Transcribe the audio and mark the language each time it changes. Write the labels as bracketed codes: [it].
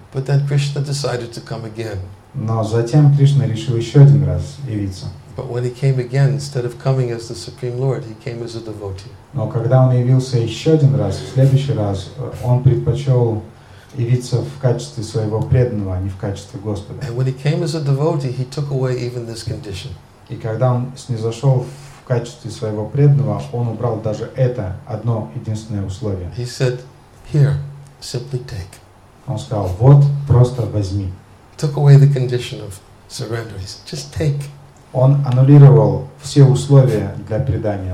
[en] But then Krishna decided to come again. [ru] Но затем Кришна решил еще один раз явиться. [en] But when he came again, instead of coming as the Supreme Lord, he came as a devotee. [ru] Но когда он явился еще один раз, в следующий раз, он предпочел явиться в качестве своего преданного, а не в качестве Господа. [en] And when he came as a devotee, he took away even this condition. [ru] И когда он снизошел в качестве своего преданного, он убрал даже это одно единственное условие. [en] He said, "Here, simply take." [ru] Он сказал: "Вот, просто возьми." [en] Took away the condition of surrender. He said, "Just take." [ru] Он аннулировал все условия для предания.